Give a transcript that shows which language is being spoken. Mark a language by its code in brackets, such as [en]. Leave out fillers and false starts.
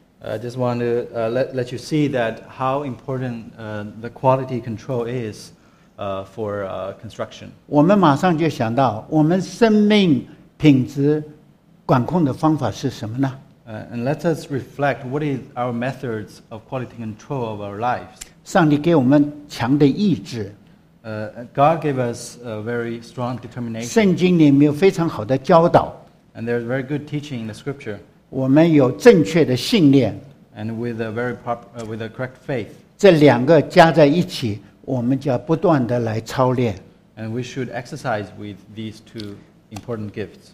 [en] I just want to let you see that how important the quality control is. For construction. [zh] 我们马上就想到我们生命品质管控的方法是什么呢 [en] And let us reflect what is our methods of quality control of our lives. [zh] 上帝给我们强的意志 [en] God gave us a very strong determination. [zh] 圣经里面有非常好的教导 [en] And there's very good teaching in the scripture. [zh] 我们有正确的信念 [en] And with a very proper, with a correct faith. [zh] 这两个加在一起我们就要不断地来操练。 [en] And we should exercise with these two important gifts.